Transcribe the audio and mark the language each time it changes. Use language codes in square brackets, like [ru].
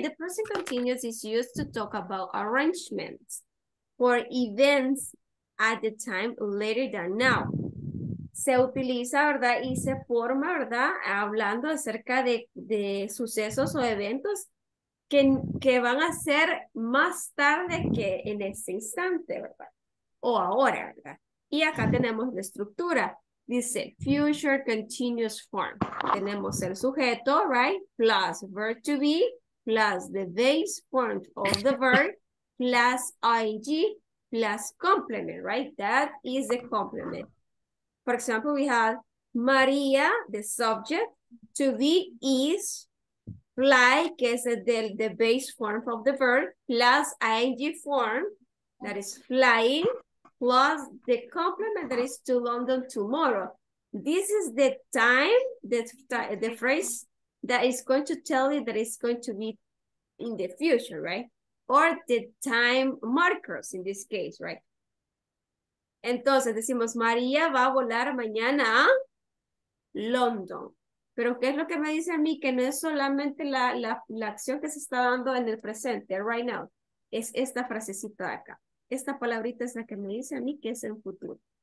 [en] The present continuous is used to talk about arrangements for events at the time later than now. [es] Se utiliza, ¿verdad? Y se forma, ¿verdad? Hablando acerca de sucesos o eventos que van a ser más tarde que en ese instante, ¿verdad? O ahora, ¿verdad? Y acá tenemos la estructura. Dice, [en] future continuous form. [es] Tenemos el sujeto, right? [en] Plus verb to be, plus the base form of the verb, plus ing, plus complement, right? That is the complement. For example, we have María, the subject, to be, is, fly, [es] que es [en] the base form of the verb, plus ing form, that is flying, plus the complement, that is to London tomorrow. This is the time, the phrase that is going to tell you that it's going to be in the future, right? Or the time markers in this case, right? [es] Entonces decimos, María va a volar mañana a London. Pero ¿qué es lo que me dice a mí? Que no es solamente la acción que se está dando en el presente, [en] right now. [es] Es esta frasecita de acá. Esta palabrita es la que me dice a mí que es el futuro.